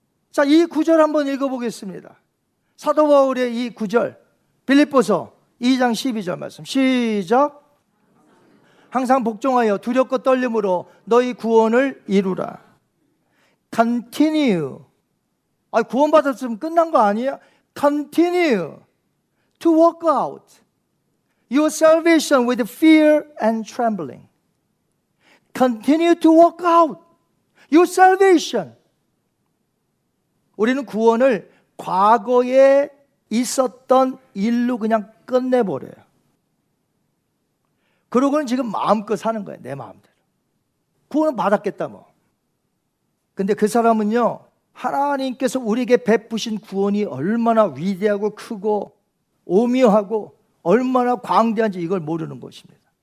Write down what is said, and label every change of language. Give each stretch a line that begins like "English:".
Korean: 자, 이 구절 한번 읽어보겠습니다. 사도 바울의 이 구절, 빌립보서 2장 12절 말씀 시작. 항상 복종하여 두렵고 떨림으로 너희 구원을 이루라.
English: Continue.
Korean: 아, 구원 받았으면 끝난 거 아니야?
English: Continue to walk out. your salvation with fear and trembling. Continue to walk out your salvation.
Korean: 우리는 구원을 과거에 있었던 일로 그냥 끝내버려요. 그러고는 지금 마음껏 사는 거예요. 내 마음대로. 구원은 받았겠다 뭐. 근데 그 사람은요, 하나님께서 우리에게 베푸신 구원이 얼마나 위대하고 크고 오묘하고 얼마나 광대한지 이걸 모르는 것입니다.